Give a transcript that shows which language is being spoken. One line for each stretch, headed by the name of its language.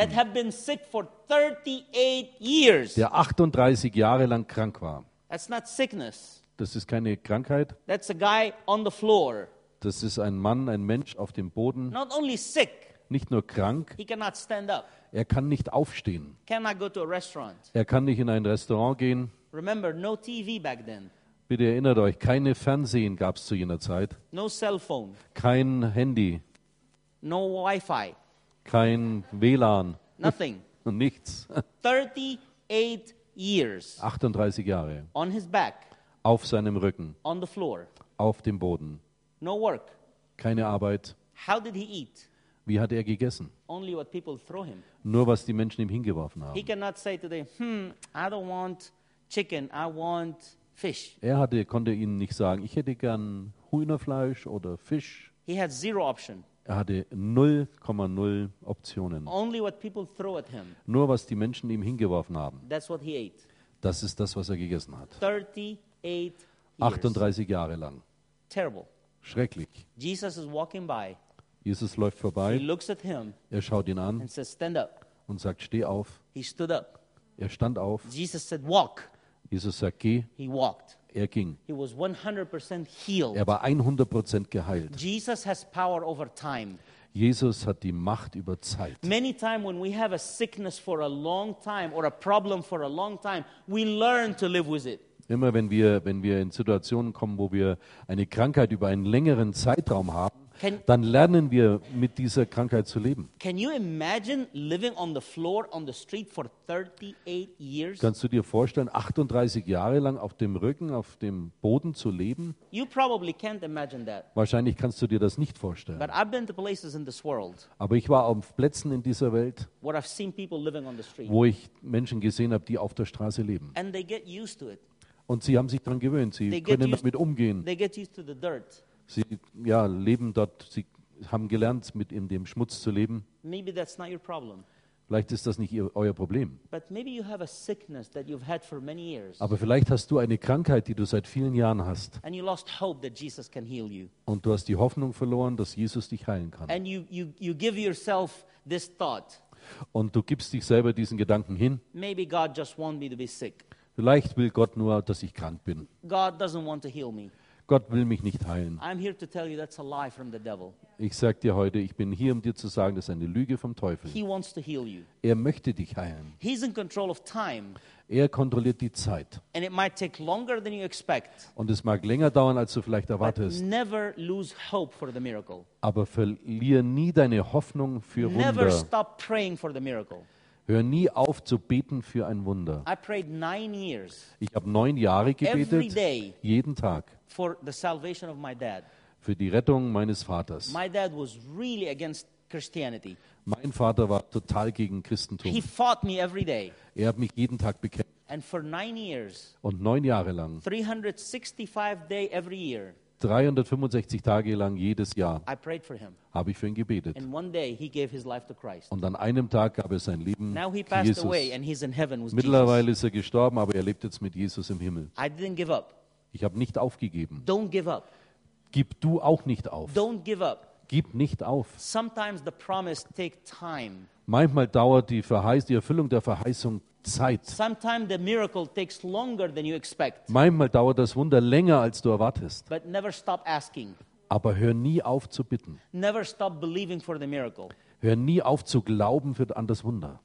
English: That have been sick for 38 years.
German: Der 38 Jahre lang krank war.
English: That's not sickness.
German: Das ist keine Krankheit.
English: That's a guy on the floor.
German: Das ist ein Mann, ein Mensch auf dem Boden.
English: Not only sick.
German: Nicht nur krank.
English: He cannot stand up.
German: Er kann nicht aufstehen.
English: Cannot go to a restaurant.
German: Er kann nicht in ein Restaurant gehen.
English: Remember, no TV back then.
German: Bitte erinnert euch, keine Fernsehen gab es zu jener Zeit.
English: No cell phone.
German: Kein Handy.
English: No Wi-Fi.
German: Kein WLAN.
English: Nothing.
German: Nichts.
English: 38 years.
German: 38 Jahre.
English: On his back.
German: Auf seinem Rücken.
English: On the floor.
German: Auf dem Boden.
English: No work.
German: Keine Arbeit.
English: How did he eat?
German: Wie hat er gegessen?
English: Only what people throw him.
German: Nur was die Menschen ihm hingeworfen haben.
English: He cannot say today, I don't want chicken, I want fish.
German: Konnte ihnen nicht sagen, ich hätte gern Hühnerfleisch oder Fisch.
English: He had zero option.
German: Hatte 0,0 Optionen.
English: Only what people throw at him.
German: Nur was die Menschen ihm hingeworfen haben.
English: That's what he ate.
German: Das ist das, was er gegessen hat.
English: 38 years.
German: 38 Jahre lang.
English: Terrible.
German: Schrecklich.
English: Jesus is walking by.
German: Jesus läuft vorbei.
English: He looks at him.
German: Er schaut ihn an.
English: And says, "Stand up."
German: Und sagt, steh auf.
English: He stood up.
German: Stand auf.
English: Jesus said, "Walk."
German: Jesus sagt, geh.
English: He walked.
German: Ging.
English: He was 100% healed.
German: War 100% geheilt.
English: Jesus has power over time.
German: Jesus hat die Macht über Zeit.
English: Many times when we have a sickness for a long time or a problem for a long time, we learn to live with it.
German: Immer wenn wir in Situationen kommen, wo wir eine Krankheit über einen längeren Zeitraum haben, dann lernen wir mit dieser Krankheit zu leben.
English: Can you imagine living on the floor on the street for 38 years?
German: Kannst du dir vorstellen, 38 Jahre lang auf dem Rücken, auf dem Boden zu leben?
English: You probably can't imagine that.
German: Wahrscheinlich kannst du dir das nicht vorstellen.
English: But I've been to places in this world.
German: Aber ich war auf Plätzen in dieser Welt,
English: where I've seen people living on the street.
German: Wo ich Menschen gesehen habe, die auf der Straße leben.
English: And they get used to it.
German: Und sie haben sich daran gewöhnt, sie können damit umgehen.
English: They get used to the dirt.
German: Sie leben dort, sie haben gelernt, mit in dem Schmutz zu leben.
English: Maybe that's not your problem.
German: Vielleicht ist das nicht euer Problem.
English: But maybe you have a sickness that you've had for many years.
German: Aber vielleicht hast du eine Krankheit, die du seit vielen Jahren hast.
English: And you lost hope that Jesus can heal you.
German: Und du hast die Hoffnung verloren, dass Jesus dich heilen kann.
English: And you give yourself this thought.
German: Und du gibst dich selber diesen Gedanken hin.
English: Maybe God just want me to be sick.
German: Vielleicht will Gott nur, dass ich krank bin.
English: God doesn't want to heal me.
German: Gott will mich nicht heilen.
English: I'm here to tell you that's a lie from the devil.
German: Ich sag dir heute, ich bin hier, um dir zu sagen, das ist eine Lüge vom Teufel.
English: He wants to heal you.
German: Möchte dich heilen.
English: He's in control of time.
German: Kontrolliert die Zeit.
English: And it might take longer than you expect.
German: Und es mag länger dauern, als du vielleicht erwartest.
English: But never lose hope for the miracle.
German: Aber verliere nie deine Hoffnung für Wunder.
English: Never stop praying for the miracle.
German: Hör nie auf zu beten für ein Wunder.
English: I prayed 9 years.
German: Ich habe 9 Jahre gebetet.
English: Every day,
German: jeden Tag.
English: For the salvation of my dad.
German: Für die Rettung meines Vaters.
English: My dad was really against Christianity.
German: Mein Vater war total gegen Christentum.
English: He fought me every day.
German: Hat mich jeden Tag bekämpft.
English: And for 9 years.
German: Und 9 Jahre lang.
English: 365 days every year.
German: 365 Tage lang jedes Jahr
English: I prayed for him.
German: Habe ich für ihn gebetet.
English: And one day he gave his life to Christ.
German: Und an einem Tag gab er sein Leben
English: Now he passed
German: Jesus.
English: Away and he's in heaven with
German: Mittlerweile
English: Jesus.
German: Ist er gestorben, aber er lebt jetzt mit Jesus im Himmel.
English: I didn't give up.
German: Ich habe nicht aufgegeben.
English: Don't give up.
German: Gib du auch nicht auf.
English: Don't give up.
German: Gib nicht auf.
English: Sometimes the promise take time.
German: Manchmal dauert die Erfüllung der Verheißung Zeit.
English: Sometimes the miracle takes longer than you expect.
German: Manchmal dauert das Wunder länger, als du erwartest.
English: But never stop asking.
German: Aber hör nie auf zu bitten.
English: Never stop believing for the miracle.
German: Hör nie auf zu glauben an das Wunder.